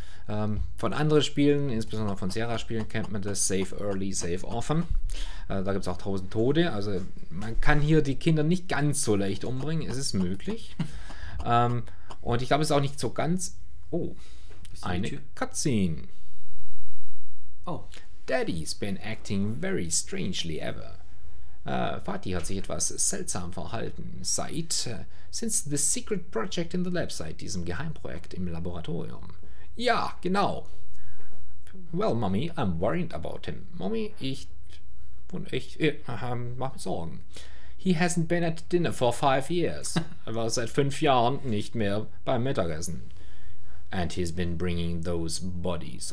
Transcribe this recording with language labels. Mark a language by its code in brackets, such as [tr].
[de] Von anderen Spielen, insbesondere von Sierra-Spielen, kennt man das [en] Save Early, Save Often. [de] Da gibt es auch 1000 Tode. Also man kann hier die Kinder nicht ganz so leicht umbringen. Es ist möglich. Und ich glaube, es ist auch nicht so ganz... Oh, eine Cutscene. Oh. [en] Daddy's been acting very strangely ever. [de] Vati hat sich etwas seltsam verhalten. [en] Since the secret project in the lab, [de] seit diesem Geheimprojekt im Laboratorium. Ja, genau. [en] Well, Mommy, I'm worried about him. [de] Mommy, ich mach mir Sorgen. [en] He hasn't been at dinner for 5 years. [de] Er war seit 5 Jahren nicht mehr beim Mittagessen. [en] And he's been bringing those bodies.